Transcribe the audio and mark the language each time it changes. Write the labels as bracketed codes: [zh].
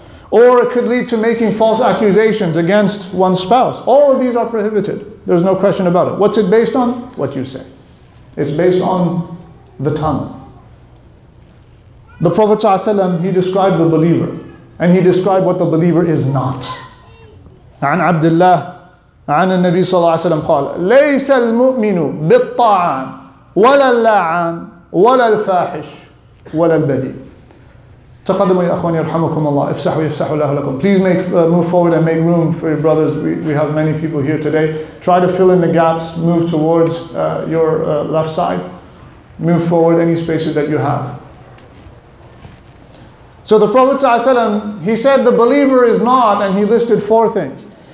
[en] Or it could lead to making false accusations against one's spouse. All of these are prohibited. There's no question about it. What's it based on? What you say. It's based on the tongue. The Prophet ﷺ, he described the believer, and he described what the believer is not. [ar] عن عبد الله عن النبي صلى الله عليه وسلم قال ليس المؤمن بالطعن ولا اللعان ولا الفاحش ولا البذيء. تقدموا يا أخواني رحمكم الله افسحوا يفسحوا الله لكم. [en] Please make move forward and make room for your brothers. We have many people here today. Try to fill in the gaps. Move towards your left side. Move forward any spaces that you have. So the Prophet ﷺ, he said the believer is not, and he listed four things.